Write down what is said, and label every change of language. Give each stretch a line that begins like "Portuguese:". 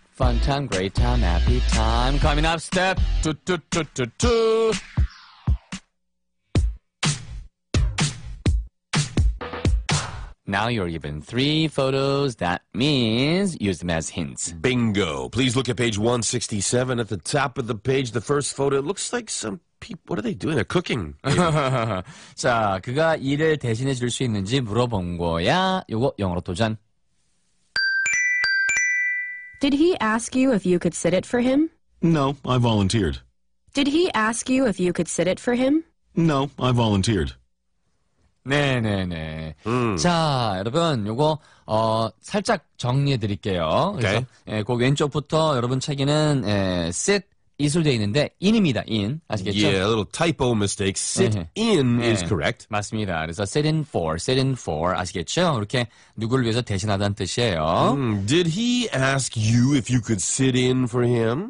English: Fun time, great time, happy time. Coming up, step two, two, two, two, two. Now you're given three photos. That means use them as hints. Bingo. Please look at page 167 at the top of the page. The first photo looks like some people. What are they doing? They're cooking.
Korean: 자, 그가 일을 대신해 줄 수 있는지 물어본 거야. 요거 영어로 도전.
English: Did he ask you if you could sit it for him? No, I volunteered. Did he ask you if you could sit it for him? No, I volunteered.
Korean: 네네네. 자, 여러분, 요거, 살짝 정리해드릴게요. 그래서,
English: okay.
Korean: 예, 그 왼쪽부터 여러분 책에는, 예, sit, 이술되어 있는데, in입니다, in. 아시겠죠?
English: Yeah, a little typo mistake. Sit in is correct.
Korean: 네, 맞습니다. 그래서 sit in for, sit in for. 아시겠죠? 이렇게 누구를 위해서 대신하다는 뜻이에요.
English: Did he ask you if you could sit in for him?